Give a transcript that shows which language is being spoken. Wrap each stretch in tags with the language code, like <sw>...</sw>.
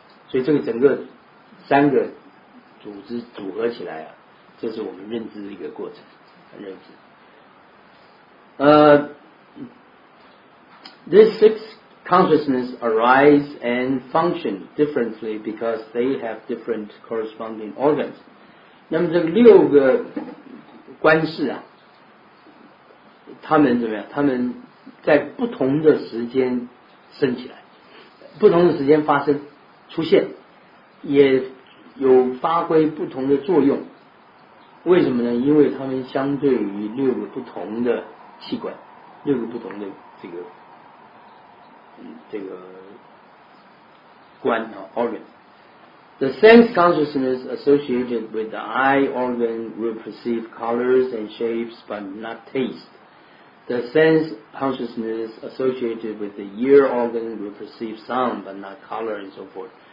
<zh>所以这个整个三个组织组合起来啊，这是我们认知的一个过程，认知。</zh> <en>These six consciousness arise and function differently because they have different corresponding organs.</en> <zh>那么这六个观识啊，他们怎么样？他们在不同的时间生起来，不同的时间发生出现，也有发挥不同的作用。为什么呢？因为他们相对于六个不同的器官，六个不同的这个官啊 organ。</zh> <en>The sense consciousness associated with the eye organ will perceive colors and shapes, but not taste. The sense consciousness associated with the ear organ will perceive sound, but not color and so forth.</en>